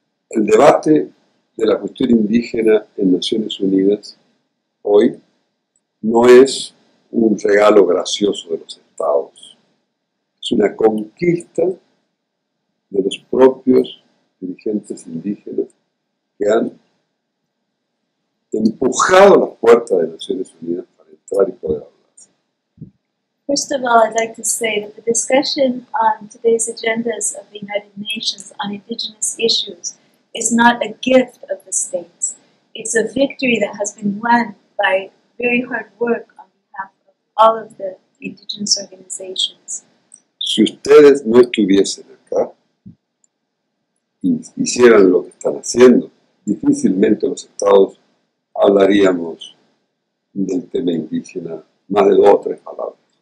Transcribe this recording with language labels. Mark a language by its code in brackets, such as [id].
[es] el debate de la cuestión indígena en Naciones Unidas hoy no es un regalo gracioso de los Estados. Es una conquista de los propios dirigentes indígenas que han empujado las puertas de Naciones Unidas para entrar y poder hablar. [en] First of all, I'd like to say that the discussion on today's agendas of the United Nations on indigenous issues is not a gift of the states. It's a victory that has been won by very hard work on behalf of all of the indigenous organizations. [es] Si ustedes no estuviesen acá, hicieran lo que están haciendo, difícilmente los estados hablaríamos del tema indígena más de dos o tres palabras.